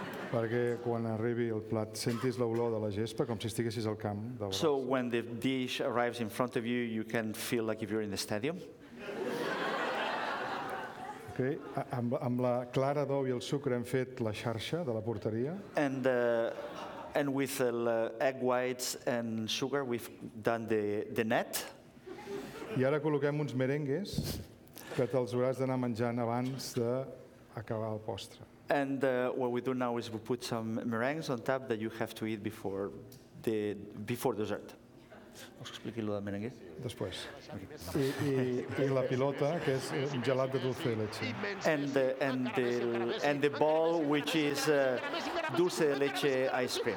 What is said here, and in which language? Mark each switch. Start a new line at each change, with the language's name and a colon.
Catalan: Perquè quan arribi el plat sentis l'olor de la gespa com si estiguessis al camp.
English: So when the dish arrives in front of you, you can feel like if you're in the stadium. Okay.
Catalan: Amb la clara d'ou I el sucre hem fet la xarxa de la porteria.
English: And with egg whites and sugar we've done the net.
Catalan: I ara col·loquem uns merengues que te'ls hauràs d'anar menjant abans d'acabar el postre.
English: And what we do now is we put some meringues on top that you have to eat before dessert.
Catalan: Vols que expliqui allò de merengues? Després. I la pilota, que és un gelat de dulce de leche.
English: And the ball, which is dulce de leche ice cream.